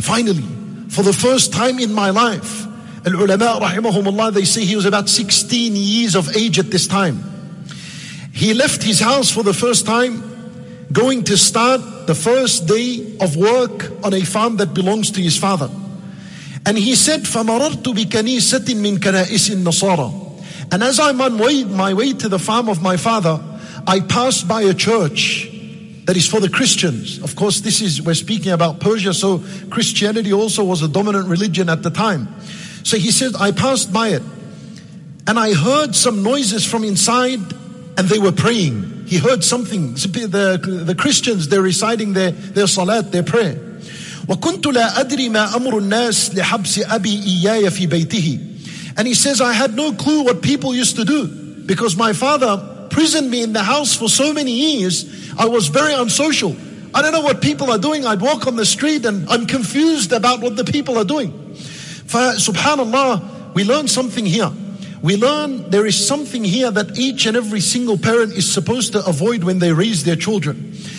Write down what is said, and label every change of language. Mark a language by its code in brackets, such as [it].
[en] Finally, for the first time in my life, [ar] العلماء رحمهم الله, [en] they say he was about 16 years of age at this time. He left his house for the first time, going to start the first day of work on a farm that belongs to his father. And he said, [ar] فَمَرَرْتُ بِكَنِيسَةٍ مِّن كَنَائِسِ النَّصَارَى. [en] And as I'm on my way to the farm of my father, I passed by a church that is for the Christians. Of course, this is, we're speaking about Persia, so Christianity also was a dominant religion at the time. So he said, I passed by it, and I heard some noises from inside, and they were praying. He heard something. The Christians, they're reciting their salat, their prayer. [ar] وَكُنْتُ لَا أَدْرِي مَا أَمْرُ النَّاسِ لِحَبْسِ أَبِي إِيَّايَ فِي بَيْتِهِ. [en] And he says, I had no clue what people used to do, because my father prisoned me in the house for so many years. I was very unsocial. I don't know what people are doing. I'd walk on the street and I'm confused about what the people are doing. Subhanallah, we learn something here. We learn there is something here that each and every single parent is supposed to avoid when they raise their children.